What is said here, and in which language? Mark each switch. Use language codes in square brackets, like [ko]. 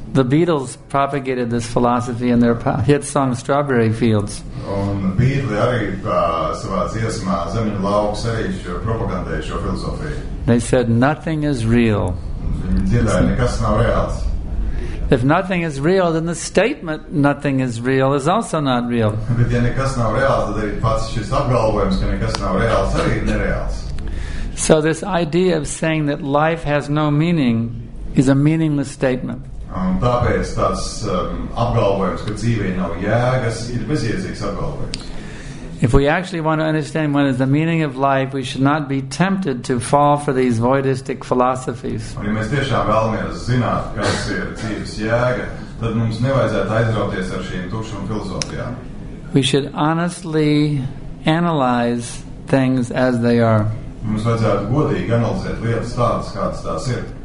[en] The Beatles propagated this philosophy in their hit song Strawberry Fields. [lv] Un Beatles arī savā dziesmā Zemļu lauks arī propagandēja šo filozofiju. [en] They said nothing is real. [lv] Dziedāja, nekas nav reāls. [en] If nothing is real, then the statement nothing is real is also not real. [lv] Bet ja nekas nav reāls, tad arī pats šis apgalvojums, ka nekas nav reāls, arī ir nereāls. [en] So this idea of saying that life has no meaning is a meaningless statement. [lv] Tāpēc tas apgalvojums, ka dzīvē nav jēgas, ir bezjēdzīgs apgalvojums. [en] If we actually want to understand what is the meaning of life, we should not be tempted to fall for these voidistic philosophies. [lv] Un ja mēs tiešām vēlamies zināt, kas ir dzīves jēga, tad mums nevajadzētu aizrauties ar šīm tukšām filozofijām. [en] We should honestly analyze things as they are. [lv] Mums vajadzētu godīgi analizēt lietas tādas, kādas tās ir.